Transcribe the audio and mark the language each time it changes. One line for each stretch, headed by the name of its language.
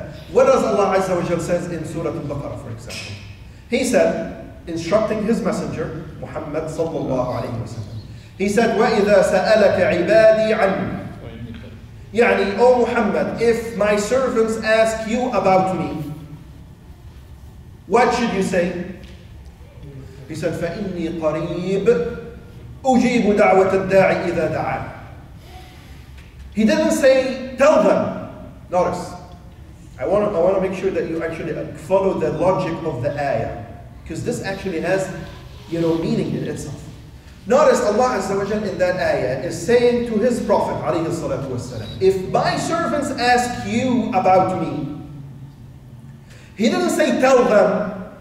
English: What does Allah Azza wa Jalla says in Surah Al-Baqarah, for example? He said, instructing his messenger, Muhammad sallallahu alayhi wa sallam, he said,
Arabic: وَإِذَا سَأَلَكَ عِبَادِي عَنِّي
English: يعني, O Muhammad, if my servants ask you about me, what should you say? He said,
Arabic: فَإِنِّي قَرِيبٌ أُجِيبُ دَعْوَةَ الدَّاعِ إِذَا دَعَى.
English: He didn't say, tell them. Notice, I want to make sure that you actually follow the logic of the ayah, because this actually has, you know, meaning in itself. Notice Allah Azza wa Jalla in that ayah is saying to his Prophet alayhi salatu wasalam, if my servants ask you about me, he didn't say tell them.